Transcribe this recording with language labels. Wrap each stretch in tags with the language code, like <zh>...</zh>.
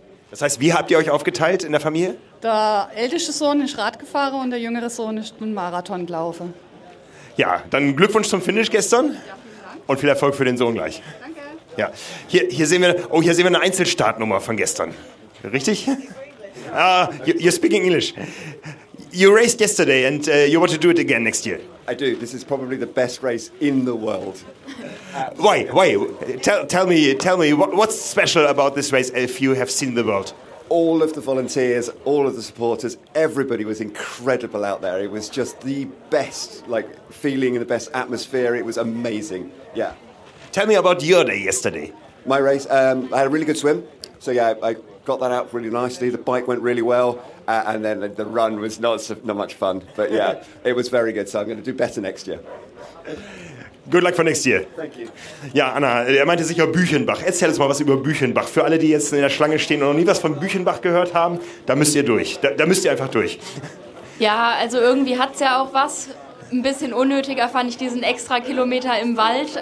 <de>Das heißt, wie habt ihr euch aufgeteilt in der Familie? Der älteste Sohn ist Rad gefahren und der jüngere Sohn ist ein Marathon gelaufen. Ja, dann Glückwunsch zum Finish gestern. Ja, vielen Dank. Und viel Erfolg für den Sohn gleich. Danke. Ja, hier sehen wir eine Einzelstartnummer von gestern. Richtig?</de> <en>Ah, you're speaking English. You raced yesterday and you want to do it again next year. I do. This is probably the best race in the world. Why? Tell me, what's special about this race if you have seen the world? All of the volunteers, all of the supporters, everybody was incredible out there. It was just the best, like, feeling and the best atmosphere. It was amazing. Yeah. Tell me about your day yesterday. My race, I had a really good swim. So, yeah, I got that out really nicely. The bike went really well. And then the run was not much fun. But, yeah, it was very good. So I'm going to do better next year. Good luck for next year. Thank you.</en> <de>Ja, Anna, er meinte sicher Büchenbach. Erzähl uns mal was über Büchenbach. Für alle, die jetzt in der Schlange stehen und noch nie was von Büchenbach gehört haben, da müsst ihr durch. Da müsst ihr einfach durch. Ja, also irgendwie hat es ja auch was. Ein bisschen unnötiger fand ich diesen extra Kilometer im Wald.</de>